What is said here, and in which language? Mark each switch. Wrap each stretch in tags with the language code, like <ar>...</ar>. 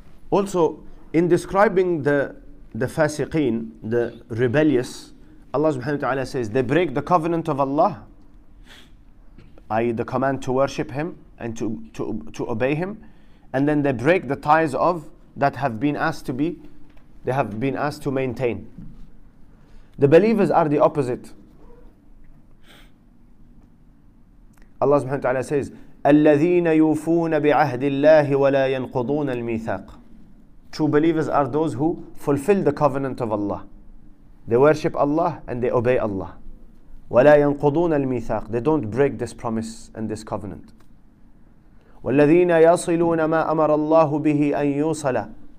<en>Also, in describing the fasiqeen, the rebellious, Allah subhanahu wa ta'ala says they break the covenant of Allah, i.e. the command to worship Him and to obey Him, and then they break the ties of that have been asked to be, they have been asked to maintain. The believers are the opposite. Allah subhanahu wa ta'ala says,</en> <ar>الَّذِينَ يُوفُونَ بِعَهْدِ اللَّهِ وَلَا يَنْقُضُونَ الْمِيثَاقِ.</ar> <en>True believers are those who fulfill the covenant of Allah. They worship Allah and they obey Allah.</en> <ar>وَلَا يَنْقُضُونَ الْمِيثَاقِ.</ar> <en>They don't break this promise and this covenant.</en> <ar>وَالَّذِينَ يَصِلُونَ مَا أَمَرَ اللَّهُ بِهِ أَنْ يُوصَلَ.</ar>